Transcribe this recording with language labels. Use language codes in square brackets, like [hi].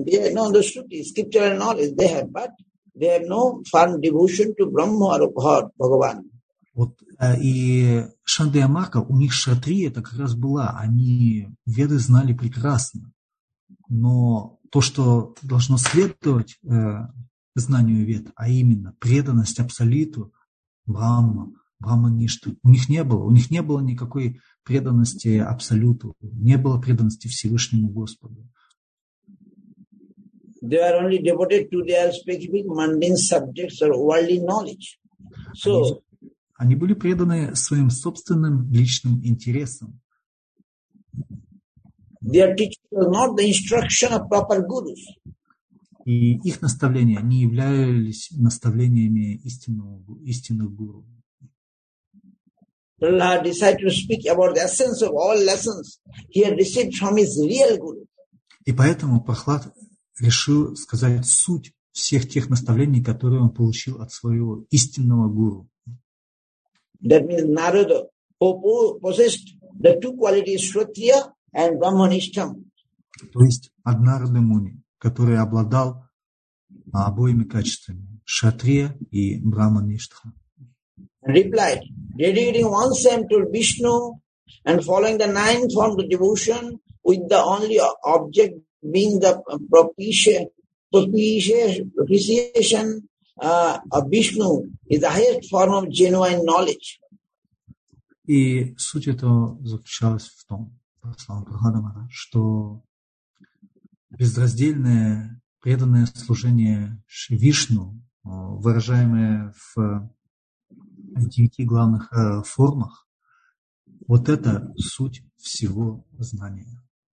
[en] They know the Shruti, scriptural knowledge they have, but they have no firm devotion to Brahma or God, Bhagavan. [ru] Вот, и Шандея Марка, у них Кшатрия это как раз была. Они веды знали прекрасно. Но то, что должно следовать знанию вед, а именно преданность Абсолюту, Брахма, Брахма-ништу, у них не было. У них не было никакой преданности Абсолюту, не было преданности Всевышнему Господу. [en] They are only devoted to their specific mundane subjects or worldly knowledge. So, [ru] они были преданы своим собственным личным интересам. [en] Their teaching was not the instruction of proper gurus. [ru] И их наставления не являлись наставлениями истинных гуру. [en] Prahlad decided to speak about the essence of all lessons he had received from his real guru. [ru] И поэтому Прохлад решил сказать суть всех тех наставлений, которые он получил от своего истинного гуру. [en] That means Narada possessed the two qualities, Kshatriya and Brahmanishtam. [ru] То есть от Нарады Муни, который обладал обоими качествами, Кшатрия и Брахмаништха. [en] Replied, dedicating oneself to Vishnu and following the nine forms of devotion with the only object being the propitiation of Vishnu is the highest form of genuine knowledge. [ru] И суть этого заключалась в том, по словам Прохлада Махараджи, что безраздельное преданное служение Вишну, выражаемое в девяти главных формах, вот это суть всего знания.